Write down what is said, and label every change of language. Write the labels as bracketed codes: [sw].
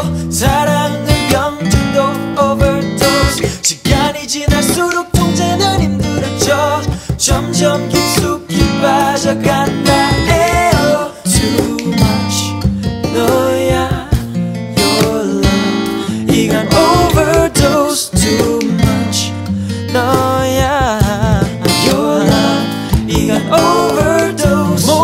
[ko] 사랑은 병 중독 overdose. 시간이 지날수록 통제는 힘들어져. 점점 깊숙이 빠져간다. [en] Ayo, too much [ko] 너야 [en] your love. [ko] 이건 overdose. [en] Too much [ko] 너야 [en] your love. [ko] 이건 overdose.